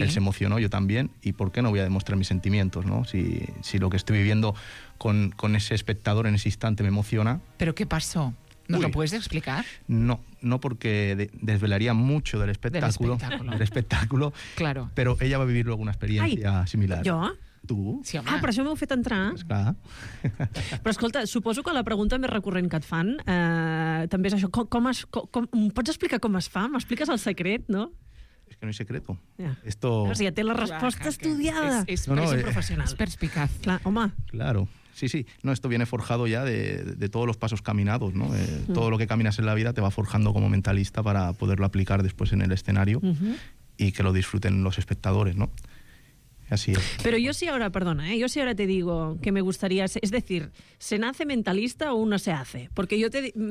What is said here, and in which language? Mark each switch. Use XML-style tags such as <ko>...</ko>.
<es>Él se emocionó, yo también. ¿Y por qué no voy a demostrar mis sentimientos, ¿no? Si lo que estoy viviendo con ese espectador en ese instante me emociona. ¿Pero qué pasó? ¿Nos lo puedes explicar? No porque desvelaría mucho del espectáculo. Del espectáculo. Del espectáculo. Claro. Pero ella va a vivir luego una experiencia similar.</es> <ca>¿Jo? ¿Tu? Sí, home. Ah, per això m'heu fet entrar. Esclar. Però escolta, suposo que la pregunta més recurrent que et fan també és això. Com pots explicar com es fa? M'expliques el secret, no? És que no hi ha secreto. Ja.</ca> <es>Esto...</es> <ca>Però si ja té la resposta estudiada. És professional. És perspicaz. Clar, home.</ca> <es>Claro. Sí, sí. No, esto viene forjado ya de todos los pasos caminados, ¿no? Todo lo que caminas en la vida te va forjando como mentalista para poderlo aplicar después en el escenario y que lo disfruten los espectadores, ¿no? Así es. Pero yo sí ahora, perdona, ¿eh? Yo sí ahora te digo que me gustaría... Es decir, ¿se nace mentalista o uno se hace? Porque yo te...</es>